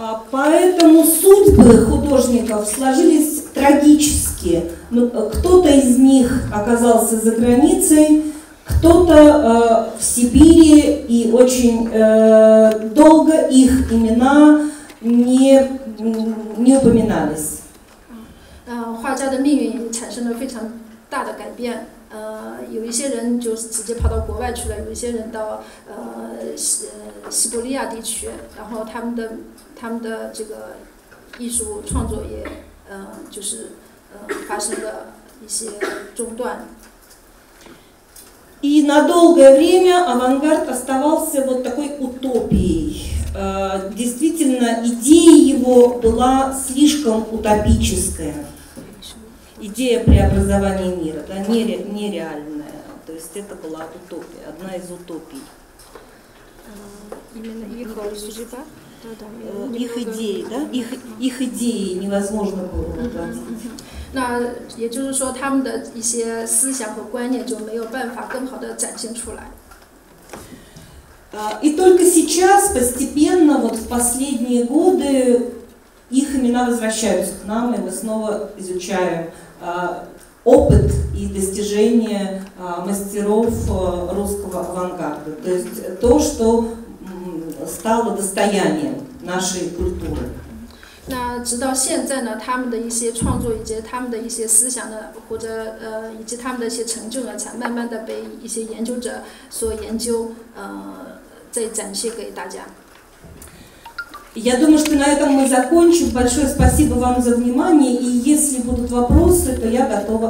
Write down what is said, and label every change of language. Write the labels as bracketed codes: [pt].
[ru] Поэтому судьбы художников сложились трагически. Ну, кто-то из них оказался за границей, кто-то в Сибири, и очень долго их имена не упоминались. [zh] 画家的命运产生了非常大的改变。有一些人就是直接跑到国外去了，有一些人到西伯利亚地区，然后他们的这个艺术创作也就是发生了一些中断。 [ru] И на долгое время авангард оставался вот такой утопией. Действительно, идея его была слишком утопическая. Идея преобразования мира, да, нереальная, то есть это была утопия, одна из утопий. Именно их судьба? Их идеи, да? Их идеи невозможно было воплотить. [zh] 那也就是说他们的一些思想和观念就没有办法更好的展现出来。 [ru] И только сейчас, постепенно, вот в последние годы, их имена возвращаются к нам, и мы снова изучаем. Опыт и достижения мастеров русского авангарда, то есть то, что стало достоянием нашей культуры. [zh] 那直到现在呢，他们的一些创作以及他们的一些思想呢，或者以及他们的一些成就呢，才慢慢的被一些研究者所研究，再展现给大家。 [ru] Я думаю, что на этом мы закончим. Большое спасибо вам за внимание. И если будут вопросы, то я готова